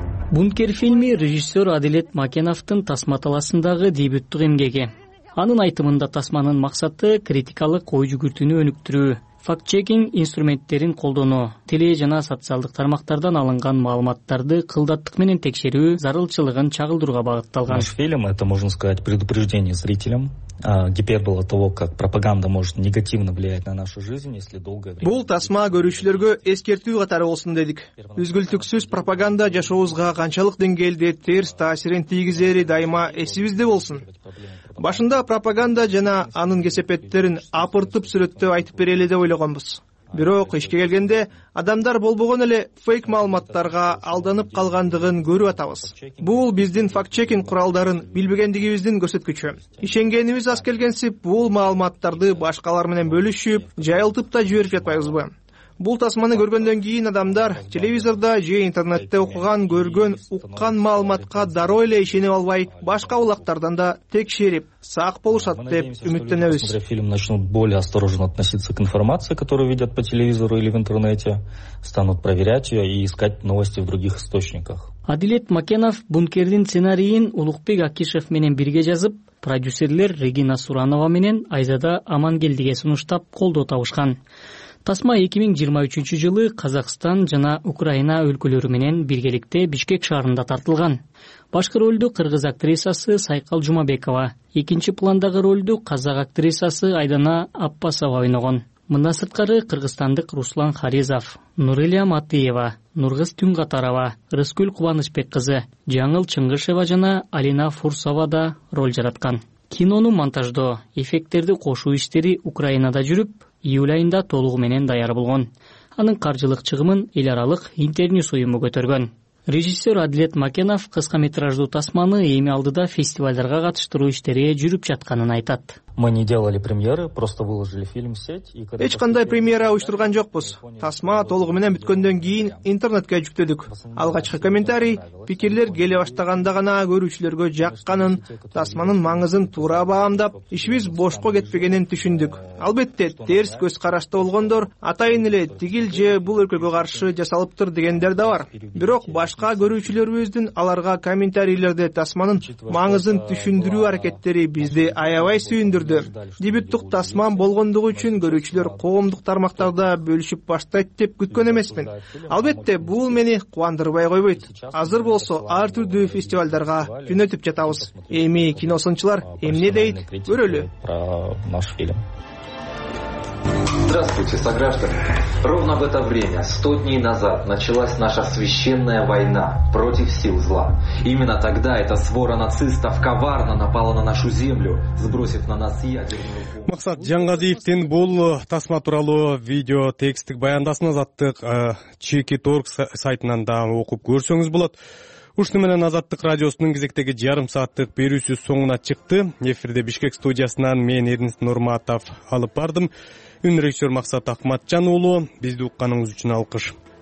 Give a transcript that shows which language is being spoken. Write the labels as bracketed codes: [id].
[ky] Бункер фильми режиссер Адилет Макеновтун тасма талаасындагы дебюттук эмгеги. Анын айтымында тасманын максаты критикалык ой жүгүртүүнү өнүктүрүү, факт-чекинг инструменттерин колдонуу, теле жана социалдык тармактардан алынган маалыматтарды кылдаттык менен текшерүү зарылчылыгын чагылдырууга багытталган. [ru] Наш фильм это, можно сказать, предупреждение зрителям. Гипербола того, как пропаганда может негативно влиять на нашу жизнь, если долгое время. [ky] Бул тасма көрүүчүлөргө эскертүү катары болсун дедик. Үзгүлтүксүз пропаганда жашообузга канчалык деңгээлде терс таасирин тийгизери дайыма эсибизде болсун. Башында пропаганда жана анын кесепеттерин апыртып сүрөттөп айтып берели деп ойлогонбуз. Бирок ишке келгенде адамдар болбогон эле фейк маалыматтарга алданып калгандыгын көрүп атабыз. Бул биздин факт-чекинг куралдарын билбегендигибиздин көрсөткүчү. Ишенгенибиз аз келгенсип, бул маалыматтарды башкалар менен бөлүшүп, жайылтып да жиберип жатпайбызбы? Бул тасманы көргөндөн кийин адамдар телевизорда же интернетте окуган, көргөн, уккан маалыматка дароо эле ишенип албай, башка улактардан да текшерип, сак болушат деп үмүттөнөбүз. [ru] Фильм начнут более осторожно относиться к информации, которую видят по телевизору или в интернете, станут проверять ее и искать новости в других источниках. [ky] Адилет Макенов Бункердин сценарийин Улукбек Акишев менен бирге жазып, продюсерлер Регина Суранова менен Айзада Амангелдиге сунуштап колдоо табышкан. Тасма 2023 жылы Казакстан жана Украина өлкөлөрү менен биргеликте Бишкек шаарында тартылган. Башкы ролду кыргыз актрисасы Сайкал Жумабекова, экинчи пландагы ролду казак актрисасы Айдана Аппасова ойногон. Мындан сырткары кыргызстандык Руслан Харизов, Нурилия Матыева, Нургыз Түнгатарова, Рыскүл Кубанычбек кызы, Жаңыл Чыңгышева жана Алина Фурсова да роль жараткан. Кинону монтаждоо, эффекттерди кошуу иштери Украинада жүрүп, июль айында толугу менен даяр болгон. Анын каржылык чыгымын эл аралык Интерньюс уюму көтөргөн. Режиссер Адилет Макенов кыска метраждуу тасманы эми алдыда фестивалдарга катыштыруу иштери жүрүп жатканын айтат. [ru] Мы не делали премьеры, просто выложили фильм в сеть. [ky] Эч кандай премьера уюштурган жокпуз. Тасма толугу менен бүткөндөн кийин интернетке жүктөдүк. Алгачкы комментарий, пикирлер келе баштаганда гана көрүүчүлөргө жакканын, тасманын маңызын туура баамдап, ишибиз бошко кетпегенин түшүндүк. Албетте, терс көз карашта болгондор атайын эле тигил же бул өлкөгө каршы жасалыптыр дегендер да бар. Бирок башка көрүүчүлөрүбүздүн аларга комментарийлерде тасманын маңызын түшүндүрүү аракеттери бизди аябай сүйүндүрдү. Дебюттук тасман болгондугу үчүн көрүүчүлөр коомдук тармактарда бөлүшүп баштайт деп күткөн эмесмин. Албетте, бул мени кубандырбай койбойт. Азыр болсо ар түрдүү фестивалдарга жөнөтүп жатабыз. Эми киносунчулар эмне дейт? Көрөлү. [ru] Наш фильм. Здравствуйте, сограждане. Ровно в это время, 100 дней назад, началась наша священная война против сил зла. Именно тогда эта свора нацистов коварно напала на нашу землю, сбросив на нас ядерную бомбу. [ky] Максат Жангазиевтин бул тасма тууралуу видео тексттик баяндасын азаттык Чики.org сайтынан да окуп көрсөңүз болот. Ушуну менен Азаттык радиосунун кезектеги жарым сааттык берүүсү соңуна чыкты. Эфирде Бишкек студиясынан мен Эрнис Нурматов алып бардым. Үн режиссер Максат Ахматжан уулу, бизди укканыңыз үчүн алкыш.